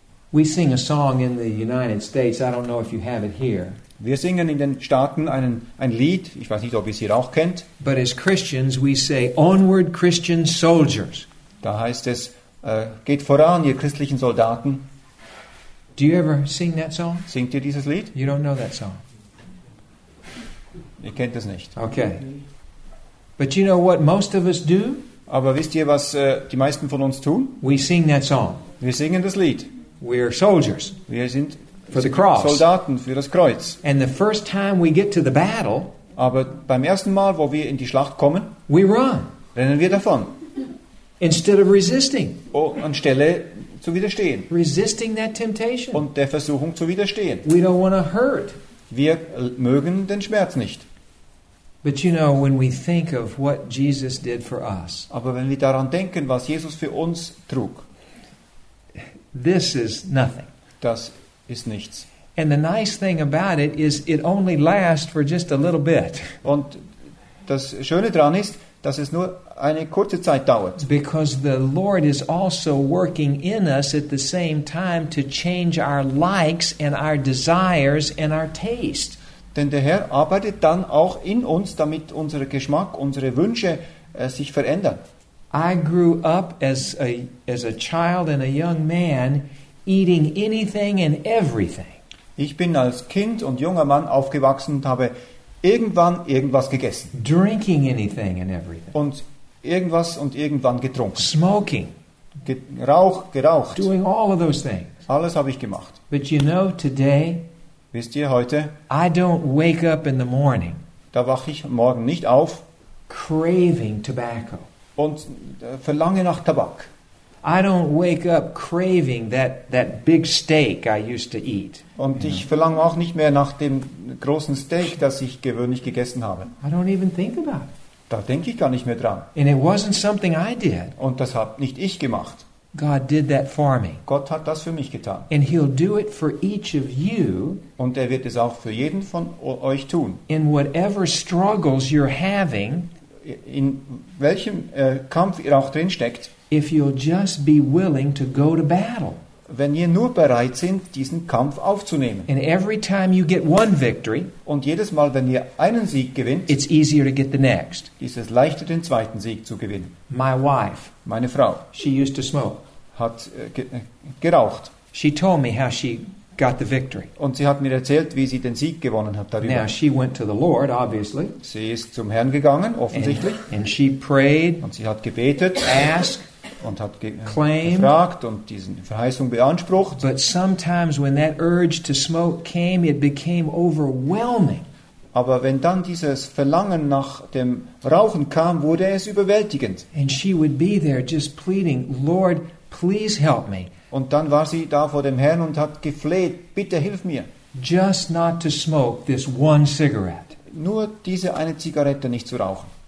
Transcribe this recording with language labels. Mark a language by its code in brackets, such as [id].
[en] We sing a song in the United States. I don't know if you have it here. [de] Wir singen in den Staaten ein Lied, ich weiß nicht, ob ihr es hier auch kennt. [en] But as Christians we say, onward Christian soldiers. [de] Da heißt es, geht voran, ihr christlichen Soldaten. [en] Do you ever sing that song? [de] Singt ihr dieses Lied? [en] You don't know that song. [de] Ihr kennt es nicht. [en] Okay. But you know what most of us do? [de] Aber wisst ihr, was die meisten von uns tun? [en] We sing that song. [de] Wir singen das Lied. [en] We're soldiers. [de] Wir sind [en] for the cross. [de] Soldaten für das Kreuz. [en] And the first time we get to the battle, [de] aber beim ersten Mal, wo wir in die Schlacht kommen, [en] we run. [de] Rennen wir davon. [en] Instead of resisting. [de] Anstelle zu widerstehen. [en] Resisting that temptation. [de] Und der Versuchung zu widerstehen. [en] We don't want to hurt. [de] Wir mögen den Schmerz nicht. [en] But you know, when we think of what Jesus did for us, [de] aber wenn wir daran denken, was Jesus für uns trug, [en] this is nothing. [de] Das ist nichts. [en] And the nice thing about it is it only lasts for just a little bit. [de] Und das Schöne dran ist, dass es nur eine kurze Zeit dauert. [en] Because the Lord is also working in us at the same time to change our likes and our desires and our taste. [de] Denn der Herr arbeitet dann auch in uns, damit unser Geschmack, unsere Wünsche sich verändern. [en] I grew up as a child and a young man eating anything and everything. [de] Ich bin als Kind und junger Mann aufgewachsen und habe irgendwann irgendwas gegessen. [en] Drinking anything and everything. [de] Und irgendwas und irgendwann getrunken. [en] Smoking. [de] Geraucht. [en] Doing all of those things. [de] Alles habe ich gemacht. [en] But you know, today, [de] wisst ihr, heute, [en] I don't wake up in the morning, [de] da wache ich morgen nicht auf, [en] craving tobacco. [de] Und verlange nach Tabak. [en] I don't wake up craving that big steak I used to eat. [de] Und ich verlange auch nicht mehr nach dem großen Steak, das ich gewöhnlich gegessen habe. [en] I don't even think about it. [de] Da denke ich gar nicht mehr dran. [en] And it wasn't something I did. [de] Und das habe nicht ich gemacht. [en] God did that for me. [de] Gott hat das für mich getan. [en] And he'll do it for each of you. [de] Und er wird es auch für jeden von euch tun. [en] In whatever struggles you're having, [de] in welchem Kampf ihr auch drin steckt, [en] if you'll just be willing to go to battle, [de] wenn ihr nur bereit seid, diesen Kampf aufzunehmen. [en] And every time you get one victory, [de] und jedes Mal, wenn ihr einen Sieg gewinnt, [en] it's easier to get the next. [de] Ist es leichter, den zweiten Sieg zu gewinnen. [en] My wife, [de] meine Frau, [en] she used to smoke, [de] hat geraucht. [en] She told me how she got the victory. [de] Und sie hat mir erzählt, wie sie den Sieg gewonnen hat darüber. [en] Now she went to the Lord, obviously. [de] Sie ist zum Herrn gegangen, offensichtlich. [en] And she prayed, [de] und sie hat gebetet, [en] asked, [de] und hat gefragt und diese Verheißung beansprucht. [en] But sometimes when that urge to smoke came, it became overwhelming. [de] Aber wenn dann dieses Verlangen nach dem Rauchen kam, wurde es überwältigend. [en] And she would be there just pleading, Lord, please help me. [de] Und dann war sie da vor dem Herrn und hat gefleht, bitte hilf mir. [en] Just not to smoke this one cigarette. [de] Nur diese eine Zigarette nicht zu rauchen.